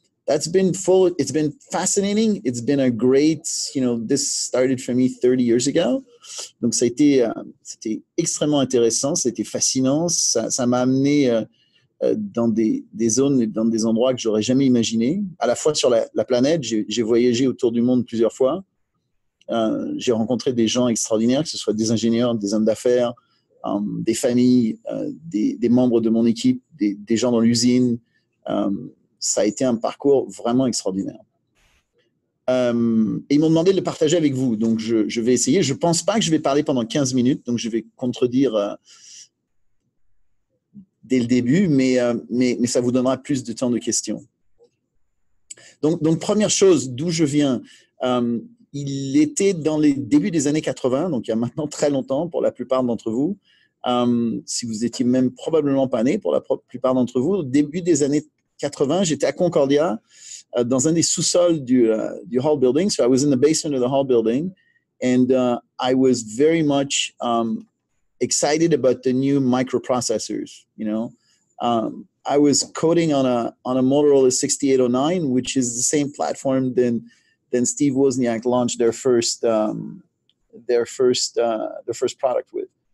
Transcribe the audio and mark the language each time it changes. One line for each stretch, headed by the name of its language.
English: It's been fascinating. It's been a great, you know, this started for me 30 years ago.
French: Donc, ça a été, c'était extrêmement intéressant. C'était fascinant. Ça m'a amené dans des zones et dans des endroits que j'aurais jamais imaginé. À la fois sur la planète, j'ai voyagé autour du monde plusieurs fois. J'ai rencontré des gens extraordinaires, que ce soit des ingénieurs, des hommes d'affaires, des familles, des membres de mon équipe, des gens dans l'usine. Ça a été un parcours vraiment extraordinaire. Et ils m'ont demandé de le partager avec vous, donc je vais essayer. Je ne pense pas que je vais parler pendant 15 minutes, donc je vais contredire dès le début, mais ça vous donnera plus de temps de questions. Donc première chose, d'où je viens. Il était dans les débuts des années 80, donc il y a maintenant très longtemps pour la plupart d'entre vous. Si vous étiez même probablement pas né pour la plupart d'entre vous, au début des années 80, j'étais à Concordia dans un des sous-sols du Hall Building.
English: So I was in the basement of the Hall Building and I was very much excited about the new microprocessors, you know. I was coding on a Motorola 6809, which is the same platform than Steve Wozniak launched their first product with.